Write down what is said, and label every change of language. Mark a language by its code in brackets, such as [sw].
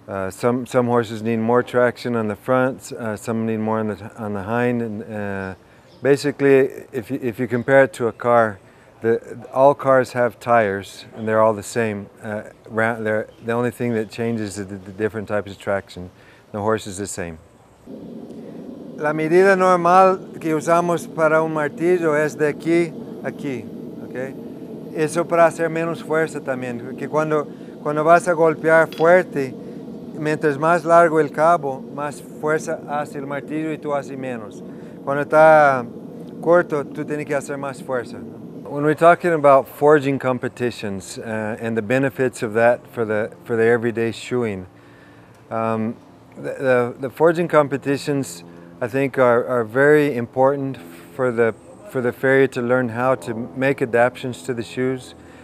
[en] Some horses need more traction on the front, some need more on the hind. And basically, if you compare it to a car, all cars have tires and they're all the same. The only thing that changes is the different types of traction. The horse is the same. [es] La medida normal que usamos para un martillo es de aquí a aquí, okay? Eso para hacer menos fuerza también, porque cuando vas a golpear fuerte, mientras más largo el cabo, más fuerza hace el martillo y tú haces menos. Cuando está corto, tú tienes que hacer más fuerza. [en] When we're talking about forging competitions and the benefits of that for the everyday shoeing, the forging competitions, I think, are very important for the farrier to learn how to make adaptations to the shoes.